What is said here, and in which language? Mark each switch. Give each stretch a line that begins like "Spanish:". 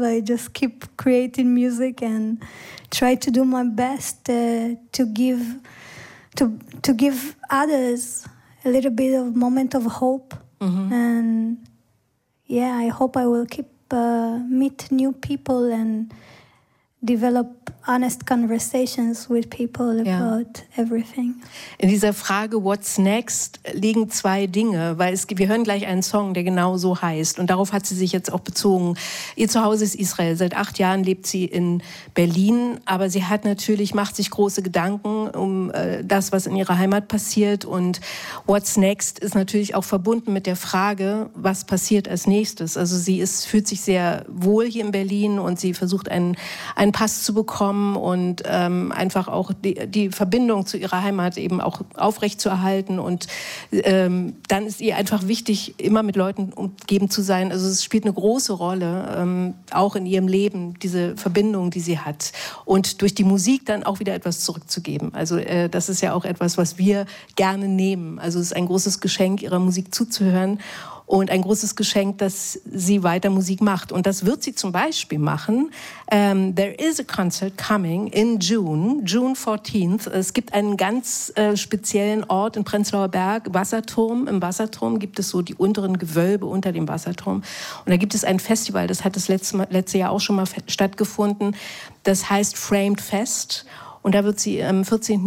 English: I just keep creating music and try to do my best to give others a little bit of moment of hope. Mm-hmm. And yeah, I hope I will keep meet new people and develop honest conversations with people about everything.
German: In dieser Frage What's next liegen zwei Dinge, weil wir hören gleich einen Song, der genau so heißt, und darauf hat sie sich jetzt auch bezogen. Ihr Zuhause ist Israel. Seit 8 Jahren lebt sie in Berlin, aber sie hat natürlich macht sich große Gedanken um das, was in ihrer Heimat passiert. Und What's next ist natürlich auch verbunden mit der Frage, was passiert als nächstes. Also sie ist fühlt sich sehr wohl hier in Berlin und sie versucht einen Pass zu bekommen und einfach auch die Verbindung zu ihrer Heimat eben auch aufrechtzuerhalten. Und dann ist ihr einfach wichtig, immer mit Leuten umgeben zu sein. Also es spielt eine große Rolle, auch in ihrem Leben, diese Verbindung, die sie hat. Und durch die Musik dann auch wieder etwas zurückzugeben. Also das ist ja auch etwas, was wir gerne nehmen. Also es ist ein großes Geschenk, ihrer Musik zuzuhören. Und ein großes Geschenk, dass sie weiter Musik macht. Und das wird sie zum Beispiel machen.
English: There is a concert coming in June, June 14th.
German: Es gibt einen ganz speziellen Ort in Prenzlauer Berg, Wasserturm. Im Wasserturm gibt es so die unteren Gewölbe unter dem Wasserturm. Und da gibt es ein Festival, das hat das letzte Jahr auch schon mal stattgefunden. Das heißt Framed Fest. Und da wird sie am 14.